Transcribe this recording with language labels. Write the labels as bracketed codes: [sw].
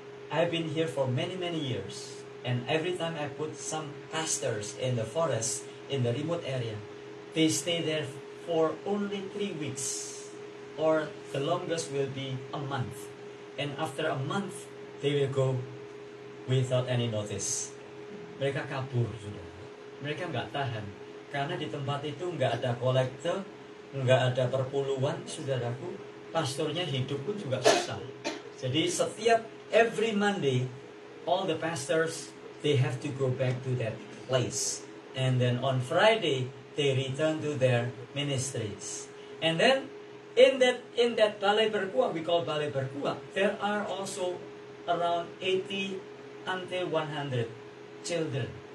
[en] I've been here for many, many years, and every time I put some pastors in the forest, in the remote area, they stay there for only 3 weeks, or the longest will be a month. And after a month, they will go without any notice. [id] Mereka kabur, sudah. Mereka nggak tahan, karena di tempat itu nggak ada kolektor, nggak ada perpuluhan, saudaraku. Pastornya hidup pun juga susah. Jadi setiap [en] every Monday, all the pastors they have to go back to that place, and then on Friday they return to their ministries. And then in that Balai Berkuah, we call Balai Berkuah, there are also around 80 until 100. Children.